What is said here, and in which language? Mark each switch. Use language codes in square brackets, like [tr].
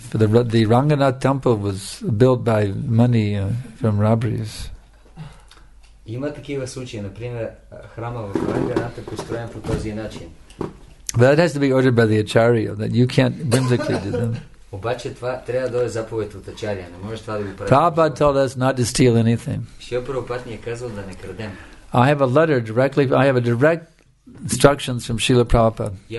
[en] The Ranganath temple was built by money from robberies. [bg] Има такива случаи, например, храма в Ранганата построен по този начин. [en] But that has to be ordered by the acharya, that you can't whimsically do them. [bg] Обаче това трябва да дойде заповед от ачария, не можеш това да го правиш. [en] Prabhupada told us not to steal anything. [bg] Шрила Прабхупада ни е казал да не крадем. [en] I have a direct instructions from Srila Prabhupada.